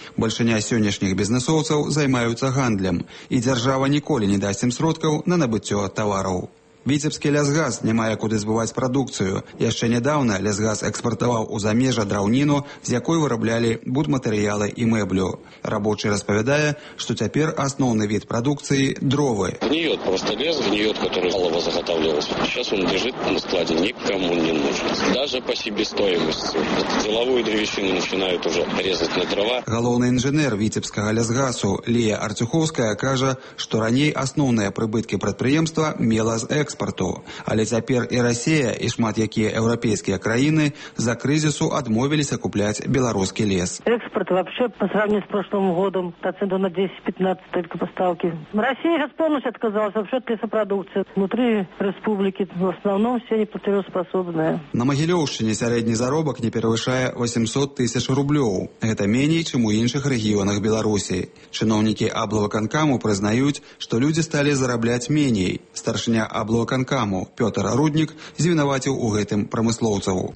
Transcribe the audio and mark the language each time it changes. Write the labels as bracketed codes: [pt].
[be] Большыня сённяшніх бізнэсоўцаў займаюцца гандлем, і дзяржава ніколі не дасць ім сродкаў на набыццё тавараў. Віцебскі лясгас не мае куды збываць прадукцыю. Яшчэ нядаўна лясгас экспартаваў у замежжа драўніну, з якой выраблялі будматэрыялы і мэблю. Рабочы распавядае, што цяпер асноўны від прадукцыі – дровы. [ru] Гніёт просто лес, гніёт, который малова заготавлялась. Сейчас он лежит на складе, никому не нужен. Даже по себестоимости. Деловую древесину начинают уже резать на дрова. [be] Галоўны інжынер віцебскага лясгасу Лія Арцюховская кажа, што раней асноўныя прыбыткі прадпрыемства мела з экспорту. Але цяпер і Расія, і шмат якія еўрапейскія краіны за крызісу адмовіліся купляць беларускі лес. [ru] Экспорт вообще по сравнению с прошлым годом процентов на 10-15 только поставки. Россия сейчас полностью отказалась вообще от лесопродукции. Внутри республики в основном все неплатежоспособные. [be] На Магілёўшчыне сярэдні заробак не перавышае 800 тысяч рублёў. Гэта меней, чым у іншых рэгіёнах Беларусі. Чыноўнікі аблвыканкаму прызнаюць, што людзі сталі зарабляць меней. Старшыня аблвыканкаму Пётр Руднік звінаваціў у гэтым прамыслоўцаў.